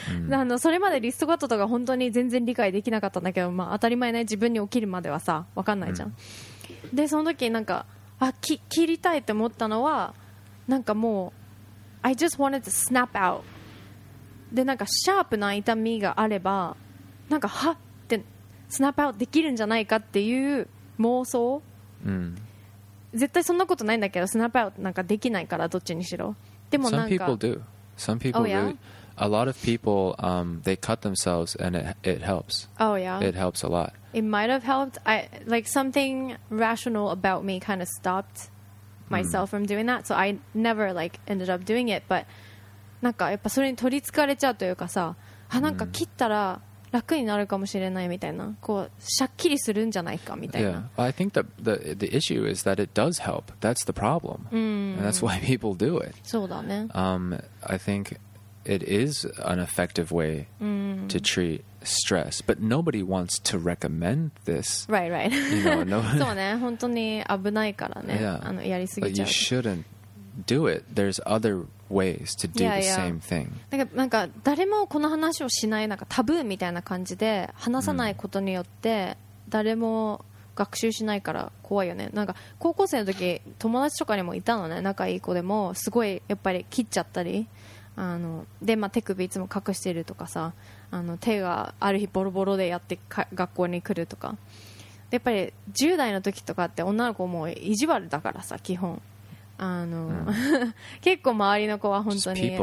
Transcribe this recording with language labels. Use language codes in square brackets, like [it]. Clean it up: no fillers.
[ja] あのそれまでリストカットとか本当に全然理解できなかったんだけど、まあ、当たり前ね、自分に起きるまではさ分かんないじゃん、でその時なんか、あ、切りたいって思ったのはなんかもう [en] I just wanted to snap out [ja] で、なんかシャープな痛みがあればなんかはってスナップアウトできるんじゃないかっていう妄想、絶対そんなことないんだけど、スナップアウトなんかできないから、どっちにしろでもなんか [en] Some people do. Some people do. A lot of people, they cut themselves and it helps. Oh yeah. It helps a lot. It might have helped. I, like something rational about me kind of stopped myself from doing that. So I never like ended up doing it. [ja] But なんかやっぱそれに取りつかれちゃうというかさ、あ、なんか切ったら楽になるかもしれないみたいな、こうしゃっきりするんじゃないかみたいな。 [en] Yeah, I think the issue is that it does help. That's the problem. And that's why people do it. [ja] そうだね。 [en] I think it is an effective way to treat stress. But nobody wants to recommend this. Right, right. You know, [ja] そうね、本当に危ないからね。 [en] Yeah. [ja] あのやりすぎちゃう。 [en] But you shouldn't do it. There's other ways to do the same thing. [ja] なんか、なんか誰もこの話をしない、なんかタブーみたいな感じで話さないことによって誰も学習しないから怖いよね。なんか高校生の時友達とかにもいたのね、仲いい子でもすごいやっぱり切っちゃったり、あので、まあ手首いつも隠してるとかさ、あの手がある日ボロボロでやって学校に来るとか、やっぱり10代の時とかって女の子も意地悪だからさ、基本あの、結構周りの子は本当に、